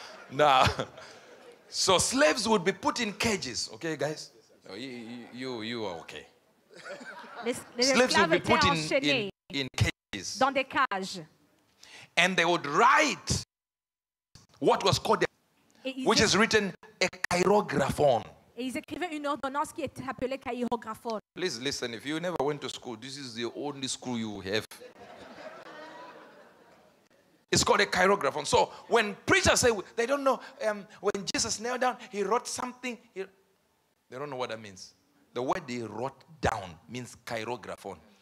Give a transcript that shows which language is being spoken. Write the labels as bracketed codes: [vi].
[en] Now, so slaves would be put in cages. Okay, guys? You are okay. Slaves would be put in cages. [fr] Dans des cages. [en] And they would write what was called, which is written a chirographon. [fr] Et ils écrivaient une ordonnance qui était appelée chirographon. [en] Please listen, if you never went to school, this is the only school you have. It's called a chirographon. So when preachers say, they don't know, when Jesus knelt down, he wrote something. They don't know what that means. The word they wrote down means chirographon.